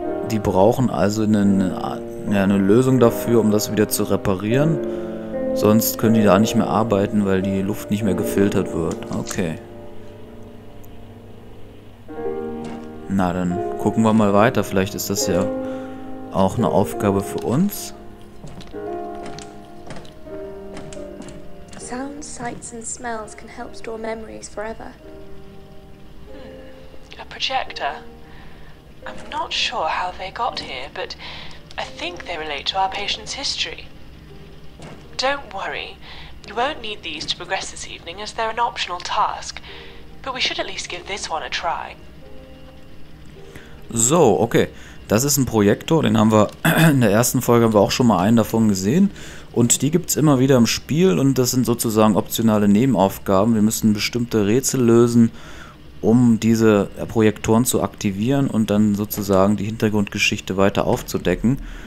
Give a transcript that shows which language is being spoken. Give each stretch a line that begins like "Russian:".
German: Die brauchen also eine Lösung dafür, um das wieder zu reparieren. Sonst können die da nicht mehr arbeiten, weil die Luft nicht mehr gefiltert wird. Okay. Na, dann gucken wir mal weiter. Vielleicht ist das ja auch eine Aufgabe für uns.
English: Sounds, sights and smells can help store memories forever. A projector. I'm not sure how they got here, but I think they relate to our patient's history. Don't worry. You won't need these to progress this evening as they're an optional task. But we should at least give this one a try.
German: So, okay. Das ist ein Projektor. Den haben wir in der ersten Folge haben wir auch schon mal einen davon gesehen. Und die gibt es immer wieder im Spiel. Und das sind sozusagen optionale Nebenaufgaben. Wir müssen bestimmte Rätsel lösen, um diese Projektoren zu aktivieren und dann sozusagen die Hintergrundgeschichte weiter aufzudecken.